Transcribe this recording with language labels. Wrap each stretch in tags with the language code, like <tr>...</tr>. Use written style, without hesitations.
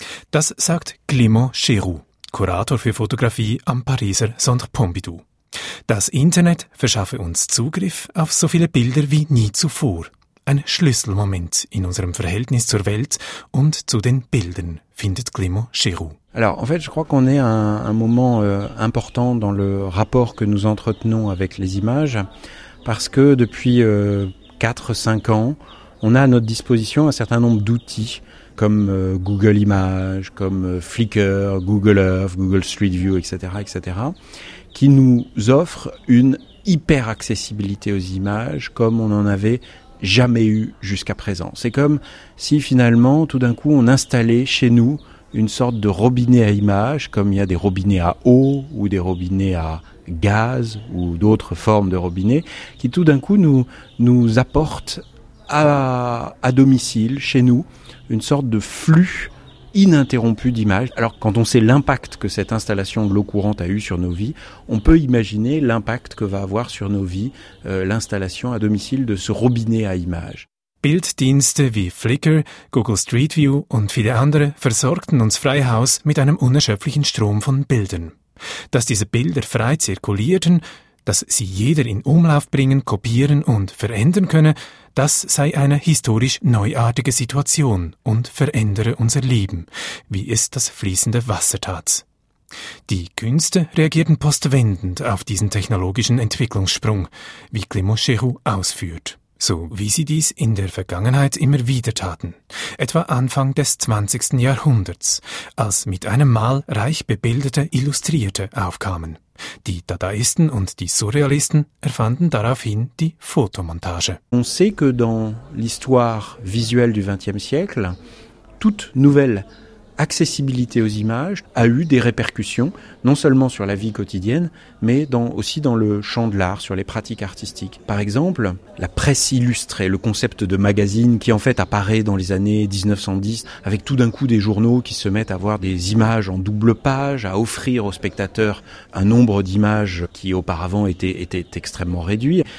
<de>Das sagt Clément Chéroux, Kurator für Fotografie am Pariser Centre Pompidou. Das Internet verschaffe uns Zugriff auf so viele Bilder wie nie zuvor. Ein Schlüsselmoment in unserem Verhältnis zur Welt und zu den Bildern, findet Clément Chéroux.</de> <fr>Alors, en fait, je crois qu'on est à un moment important dans le rapport que nous entretenons avec les images. Parce que depuis 4-5 ans, on a à notre disposition un certain nombre d'outils comme Google Images, comme Flickr, Google Earth, Google Street View, etc., etc., qui nous offrent une hyper accessibilité aux images comme on en avait jamais eu jusqu'à présent. C'est comme si finalement, tout d'un coup, on installait chez nous une sorte de robinet à images, comme il y a des robinets à eau ou des robinets à gaz ou d'autres formes de robinets qui tout d'un coup nous apportent à domicile, chez nous, une sorte de flux ininterrompu d'images. Alors quand on sait l'impact que cette installation de l'eau courante a eu sur nos vies, on peut imaginer l'impact que va avoir sur nos vies l'installation à domicile de ce robinet à images.</fr> <de>Bilddienste wie Flickr, Google Street View und viele andere versorgten uns Freihaus mit einem unerschöpflichen Strom von Bildern. Dass diese Bilder frei zirkulierten, dass sie jeder in Umlauf bringen, kopieren und verändern könne, das sei eine historisch neuartige Situation und verändere unser Leben, wie es das fließende Wasser tat. Die Künste reagierten postwendend auf diesen technologischen Entwicklungssprung, wie Clément Chéroux ausführt, so wie sie dies in der Vergangenheit immer wieder taten. Etwa Anfang des 20. Jahrhunderts, als mit einem Mal reich bebilderte Illustrierte aufkamen. Die Dadaisten und die Surrealisten erfanden daraufhin die Fotomontage.</de> <fr>On sait que dans l'histoire visuelle du 20e siècle, toute nouvelle accessibilité aux images a eu des répercussions, non seulement sur la vie quotidienne, mais aussi dans le champ de l'art, sur les pratiques artistiques. Par exemple, la presse illustrée, le concept de magazine qui en fait apparaît dans les années 1910, avec tout d'un coup des journaux qui se mettent à voir des images en double page, à offrir aux spectateurs un nombre d'images qui auparavant était extrêmement réduit.</fr>